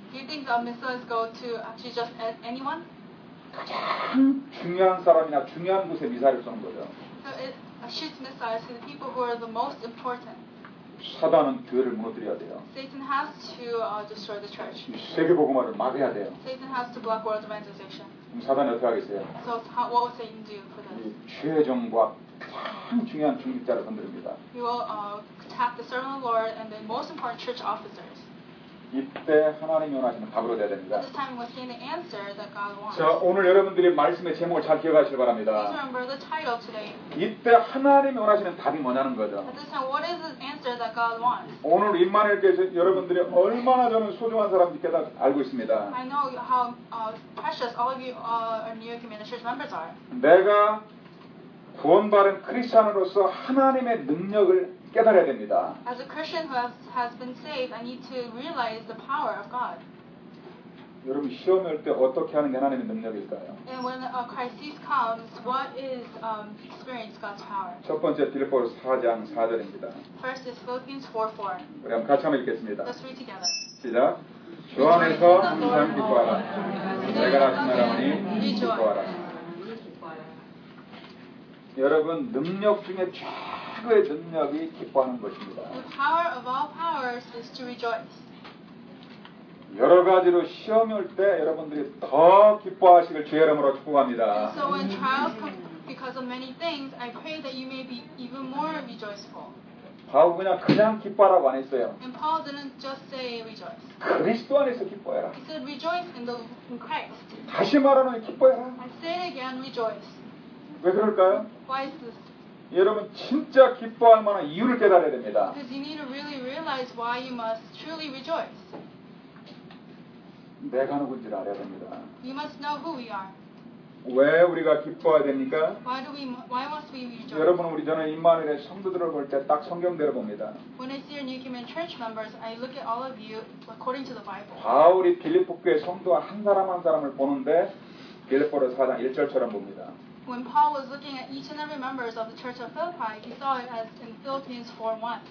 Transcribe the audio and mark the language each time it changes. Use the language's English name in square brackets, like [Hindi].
[English] Do you think the missiles go to actually just anyone? [Korean] 가장 중요한 사람이나 중요한 곳에 미사일을 쏘는 거죠. [English] So it shoots missiles to the people who are the most important. [Korean] 사단은 교회를 무너뜨려야 돼요. [English] Satan has to destroy the church. [Korean] 세계복음화를 막아야 돼요. [English] Satan has to block world evangelization. [Korean] 그럼 사단이 어떻게 하겠어요? [English] So what will Satan do for this? [Korean] 최종과 가장 중요한 중직자를 건드립니다. [English] He will attack the servant of the Lord and the most important church officers. [Korean] 이때 하나님이 원하시는 답으로 돼야 됩니다. [English] This time we'll see the answer that God wants. [Korean] 자, 오늘 여러분들이 말씀의 제목을 잘 기억하시길 바랍니다. [English] Please remember the title today. [Korean] 이때 하나님이 원하시는 답이 뭐냐는 거죠. [English] At this time, what is the answer that God wants? [Korean] 오늘 임마누엘 교회 여러분들이 얼마나 저는 소중한 사람인지 깨달 알고 있습니다. [English] I know how precious all of you are New Community Church members are. [Korean] 내가 구원받은 크리스천으로서 하나님의 능력을 깨달아야 됩니다. [English] As a Christian who has been saved, I need to realize the power of God. [Korean] 여러분 시험이 올 때 어떻게 하는 게 하나님의 능력일까요? [English] And when a crisis comes, what is experience God's power? [Korean] 첫 번째 빌립보서 4장 4절입니다. [English] First is Philippians 4:4. [Korean] 우리 한번 같이 한번 읽겠습니다. [English] Let's read together. [Korean] 시작. 주 안에서 항상 기뻐하라. 내가 나타나오니 기뻐하라. 여러분 능력 중에 최고의 능력이 기뻐하는 것입니다. [English] The power of all powers is to rejoice. [Korean] 여러 가지로 시험이 올 때 여러분들이 더 기뻐하시길 주의 이름으로 축복합니다. [English] And so when trials come because of many things, I pray that you may be even more rejoiceful. [Korean] 바울 그냥 기뻐하라고 안 했어요. [English] And Paul didn't just say rejoice. [Korean] 그리스도 안에서 기뻐해라. [English] He said rejoice in Christ. [Korean] 다시 말하면 기뻐해라. [English] I say it again, rejoice. [Korean] 왜 그럴까요? [English] Why is this? [Korean] 여러분 진짜 기뻐할 만한 이유를 깨달아야 됩니다. [English] Because you need to really realize why you must truly rejoice. [Korean] 내가 누군지를 알아야 됩니다. [English] You must know who we are. [Korean] 왜 우리가 기뻐해야 됩니까? [English] Why must we rejoice? [Korean] 여러분 우리 저는 임마누엘의 성도들을 볼 때 딱 성경대로 봅니다. [English] When I see your New Kingdom Church members, I look at all of you according to the Bible. [Korean] 바울이 빌립보 교회 성도와 한 사람 한 사람을 보는데 빌립보서 4장 1절처럼 봅니다. [English] When Paul was looking at each and every members of the church of Philippi, he saw it as in Philippians 4:1.